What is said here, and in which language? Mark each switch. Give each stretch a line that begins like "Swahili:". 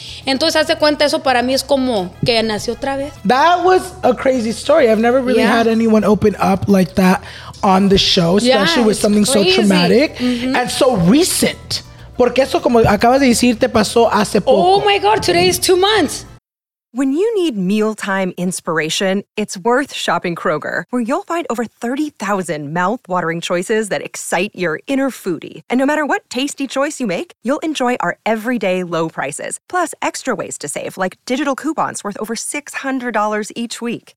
Spanish: Entonces, haz de cuenta, eso para mí es como que nació otra vez.
English: That was a crazy story. I've never really had anyone open up like that on the show, especially with something crazy. So traumatic and so recent.
Spanish: Porque eso, como acabas de decir, te pasó hace poco.
English: Oh my God, today is 2 months. When you need mealtime inspiration, it's worth shopping Kroger, where you'll find over 30,000 mouthwatering choices that excite your inner foodie. And no matter what tasty choice you make, you'll enjoy our everyday low prices, plus extra ways to save, like digital coupons worth over $600 each week.